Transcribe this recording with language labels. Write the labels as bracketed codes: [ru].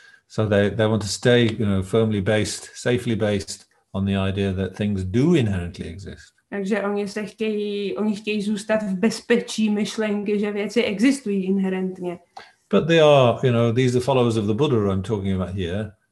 [en] So they want to stay, you know, firmly based, safely based on the idea that things do inherently exist. [cs] Takže oni chtějí zůstat v bezpečí myšlenky, že věci existují inherentně. [en] But they are, you know, these are followers of the Buddha I'm talking about here.